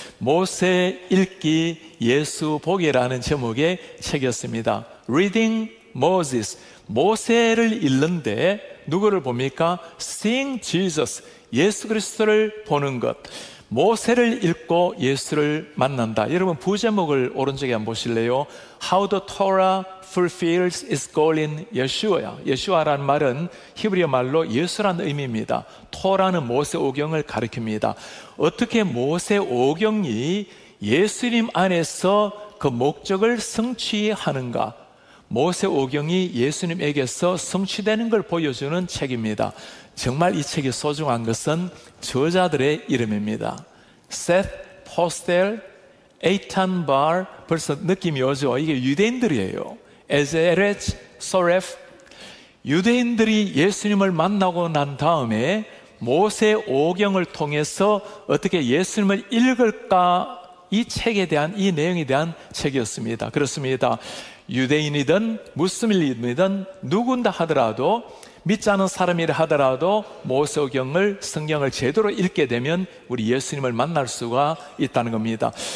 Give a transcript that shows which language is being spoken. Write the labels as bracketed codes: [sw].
[ko] 모세 읽기 예수 보기라는 제목의 책이었습니다. [en] Reading Moses, [ko] 모세를 읽는데 누구를 봅니까? [en] Seeing Jesus, [ko] 예수 그리스도를 보는 것. 모세를 읽고 예수를 만난다. 여러분 부제목을 오른쪽에 한번 보실래요? [en] How the Torah fulfills its goal in Yeshua. [ko] Yeshua라는 말은 히브리어 말로 예수라는 의미입니다. 토라는 모세오경을 가리킵니다. 어떻게 모세오경이 예수님 안에서 그 목적을 성취하는가? 모세오경이 예수님에게서 성취되는 걸 보여주는 책입니다. 정말 이 책이 소중한 것은 저자들의 이름입니다. Seth Postel, Eitan Bar, 벌써 느낌이 오죠? 이게 유대인들이에요. Ezeret Soref, 유대인들이 예수님을 만나고 난 다음에 모세오경을 통해서 어떻게 예수님을 읽을까? 이 책에 대한, 이 내용에 대한 책이었습니다. 그렇습니다. 유대인이든 무슬림이든 누군다 하더라도, 믿지 않은 사람이라 하더라도 모세오경을, 성경을 제대로 읽게 되면 우리 예수님을 만날 수가 있다는 겁니다.